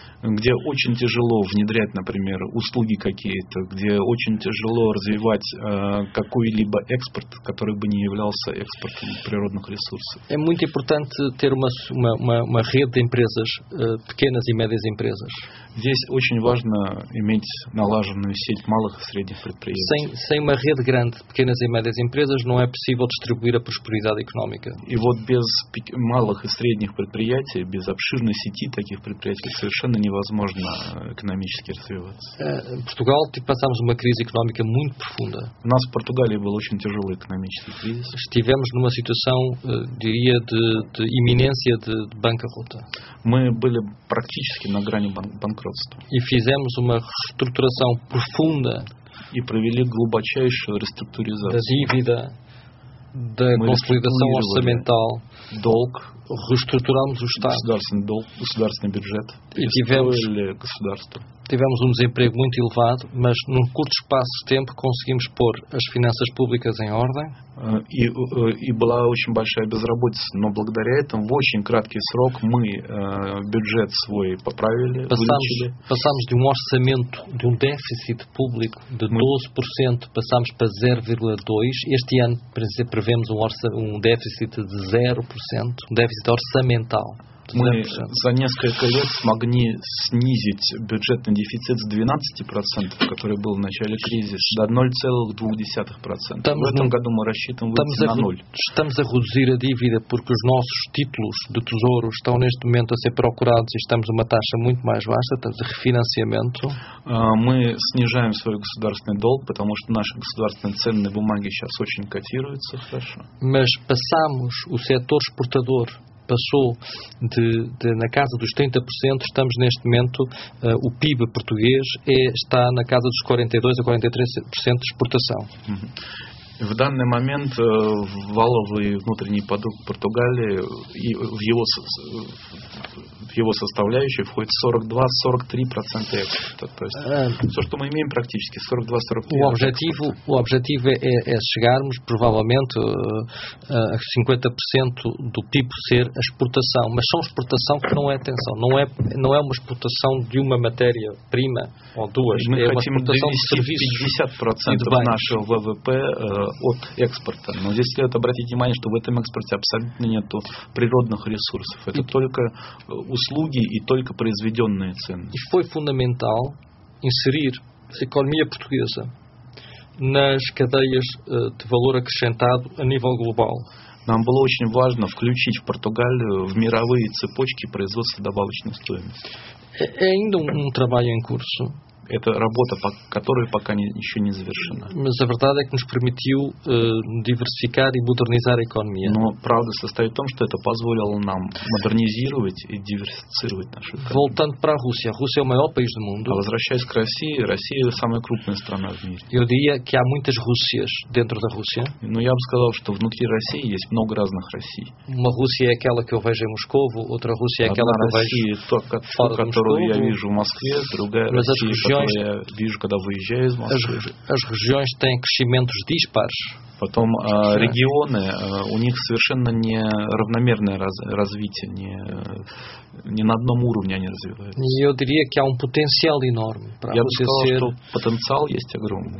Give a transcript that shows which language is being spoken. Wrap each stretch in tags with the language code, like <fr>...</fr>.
<ru>Где очень тяжело внедрять, например, услуги какие-то, где очень тяжело развивать какой-либо экспорт, который бы не являлся экспортом природных ресурсов.</ru> <pt>É muito importante ter uma rede de empresas, pequenas e médias empresas.</pt> <ru>Здесь очень важно иметь налаженную сеть малых и средних предприятий.</ru> <pt>Sem uma rede grande, pequenas e médias empresas, não é possível distribuir a prosperidade económica.</pt> <ru>И вот без малых и средних предприятий, без обширной сети таких предприятий совершенно невозможно экономически развиваться. В Португалии</ru> <pt>passamos uma crise económica muito profunda.</pt> <ru>У нас в Португалии был очень тяжелый экономический кризис.</ru> <pt>Estivemos numa situação, diria, de iminência de bancarrota.</pt> <ru>Мы были практически на грани банкротства.</ru> <pt>И fizemos uma reestruturação profunda.</pt> <ru>И провели глубочайшую реструктуризацию.</ru> <pt>Da dívida, da consolidação orçamental,</pt> <ru>долг.</ru> <pt>Reestruturamos o Estado.</pt> <ru>Государственный бюджет.</ru> <pt>E tivemos um desemprego muito elevado, mas num curto espaço de tempo conseguimos pôr as finanças públicas em ordem.</pt> <ru>E была очень большая безработица, но благодаря этому в очень краткий срок мы бюджет свой поправили.</ru> <pt>Passamos de um orçamento, de um déficit público de 12%, passamos para 0,2%. Este ano, por exemplo, prevemos um déficit de 0%, um déficit orçamental.</pt> <ru>Мы за несколько лет смогли снизить бюджетный дефицит с 12%, который был в начале кризиса, до 0,2%. Estamos, в этом году мы рассчитываем выйти на ноль.</ru> <pt>Estamos a reduzir a dívida porque os nossos títulos de tesouro estão neste momento a ser procurados e estamos a uma taxa muito mais baixa, estamos a refinanciamento.</pt> <ru>Мы снижаем свой государственный долг, потому что наши государственные ценные бумаги сейчас очень котируются хорошо.</ru> <pt>Mas passamos o setor exportador passou de na casa dos 30%, estamos neste momento, o PIB português está na casa dos 42% a 43% de exportação.</pt> <ru>В данный момент валовый внутренний продукт Португалии и в его составляющей входит 42-43% экспорта. То есть все, что мы имеем практически, 42-43%.</ru> <pt>O objetivo é chegarmos, provavelmente, a 50% do PIB ser a exportação. Mas são exportação que não é atenção. Não é uma exportação de uma matéria-prima ou duas. É uma exportação de serviços.</pt> <ru>50%</ru> <pt>do nosso</pt> <ru>ВВП от экспорта. Но здесь следует обратить внимание, что в этом экспорте абсолютно нет природных ресурсов. Это только услуги и только произведенные ценности.</ru> <pt>И foi fundamental inserir a economia portuguesa nas cadeias de valor acrescentado a nível global.</pt> <ru>Нам было очень важно включить в Португалию в мировые цепочки производства добавочной стоимости.</ru> <pt>É ainda um trabalho em curso.</pt> <ru>Это работа, которая пока еще не завершена.</ru> <pt>Mas a verdade é que nos permitiu diversificar e modernizar a economia.</pt> <ru>Но правда состоит в том, что это позволило нам модернизировать и диверсифицировать нашу экономику.</ru> <pt>Voltando para a Rússia. Rússia é o maior país do mundo.</pt> <ru>А возвращаясь к России, Россия – самая крупная страна в мире.</ru> <pt>Eu diria que há muitas Rússias dentro da Rússia.</pt> <ru>Но я бы сказал, что внутри России есть много разных Россий.</ru> <pt>Uma Rússia é aquela que eu vejo em Moскову, outра Rússia é aquela que eu vejo fora de Moскову.</pt> <ru>Одна Россия – которую я вижу в Москве, другая Россия –</ru> <pt>As regiões têm crescimentos dispares.</pt> <ru>Потом регионы, у них совершенно не равномерное развитие, не на одном уровне они развиваются.</ru> <pt>Eu diria que há potencial enorme para</pt> <ru>Я бы сказал, что потенциал есть огромный.</ru>